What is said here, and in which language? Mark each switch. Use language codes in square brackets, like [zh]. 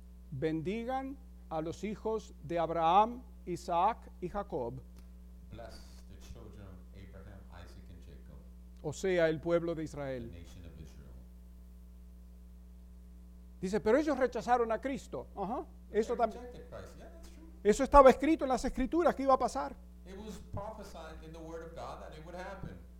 [es] Bendigan a los hijos de Abraham, Isaac y Jacob. [en] Bless the children of Abraham, Isaac and Jacob. [es] O sea, el pueblo de Israel. [en] The nation of Israel. [es] Dice, pero ellos rechazaron a Cristo. Eso también. [en] Yeah, that's true. [es] Eso estaba escrito en las Escrituras que iba a pasar. [en] It was prophesied in the Word of God that it would happen.